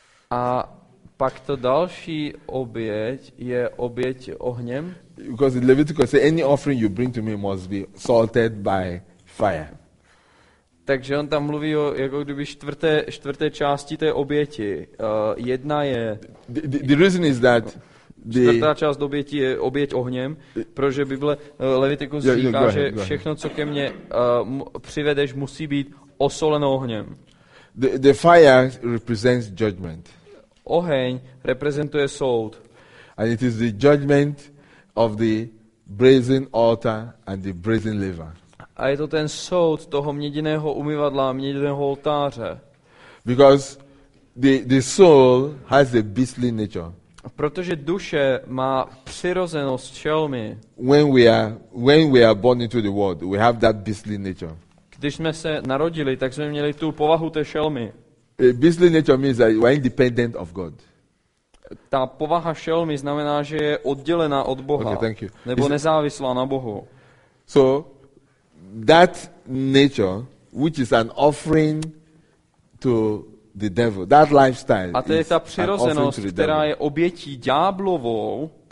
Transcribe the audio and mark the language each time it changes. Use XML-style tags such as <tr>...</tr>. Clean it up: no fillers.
<cs>A pak to další oběť je oběť ohněm.</cs> <en>Because the Leviticus says any offering you bring to me must be salted by fire.</en> <cs>Takže on tam mluví o jako kdyby čtvrté části té oběti. Jedna je</cs> <en>The reason is that</en> <cs>čtvrtá část oběti je oběť ohněm, protože Bible Levitikus říká, že všechno, co ke mně přivedeš, musí být osoleno ohněm.</cs> <en>The fire represents judgment.</en> <cs>Oheň reprezentuje soud.</cs> <en>And it is the judgment of the brazen altar and the brazen laver.</en> <cs>A je to ten soud toho měděného umyvadla, měděného oltáře.</cs> <en>Because the soul has a beastly nature.</en> <cs>Protože duše má přirozenost čelmy.</cs> <en>When we are born into the world, we have that beastly nature.</en> <cs>Když jsme se narodili, tak jsme měli tu povahu té šelmy.</cs> <en>A beastly nature means that we are independent of God.</en> <cs>Ta povaha šelmy znamená, že je oddělená od Boha.</cs> <en>Okay, thank you.</en> <cs>Nebo nezávislá na Bohu.</cs> <en>So that nature, which is an offering to the devil, that lifestyle.</en> <cs>A to je ta přirozenost, která je obětí ďáblovou.</cs>